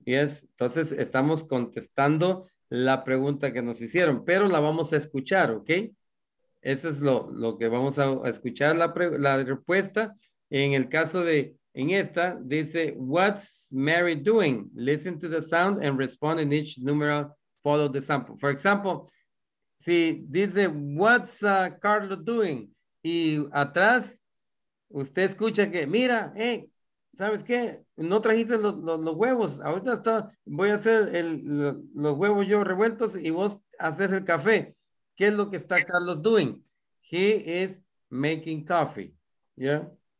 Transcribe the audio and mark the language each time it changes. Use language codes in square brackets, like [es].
[es] Yes, entonces estamos contestando la pregunta que nos hicieron, pero la vamos a escuchar, ¿ok? Eso es lo que vamos a escuchar, la respuesta. En el caso de, en esta, dice, what's Mary doing? [en] Listen to the sound and respond in each numeral, follow the sample. For example, si dice, what's Carlos doing? [es] Y atrás, usted escucha que, mira, hey, ¿sabes qué? No trajiste los huevos. Ahorita está, voy a hacer los huevos yo revueltos y vos haces el café. [en] ¿Qué es lo que está Carlos doing? He is making coffee. Yeah.